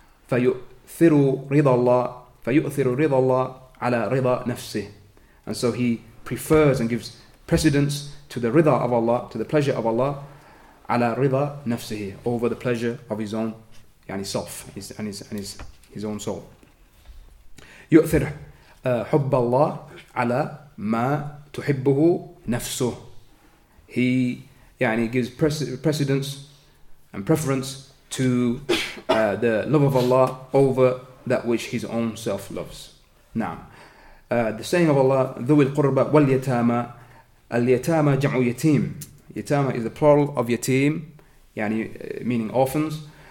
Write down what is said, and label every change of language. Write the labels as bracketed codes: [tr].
[ar] فيؤثر رضا الله, فيؤثر رضا الله على رضا نفسه. [en] And so he prefers and gives precedence to the rida of Allah, to the pleasure of Allah, [ar] ala rida nafsihi, [en] over the pleasure of his own self, his own soul. [ar] يؤثر حب الله على ما تحبه نفسه. [en] He gives precedence and preference to the love of Allah over that which his own self loves. Naam. The saying of Allah, [ar] ذوي القربى واليتامى. اليتامى جمع يتيم. [en] يتامى is the plural of يتيم, meaning orphans.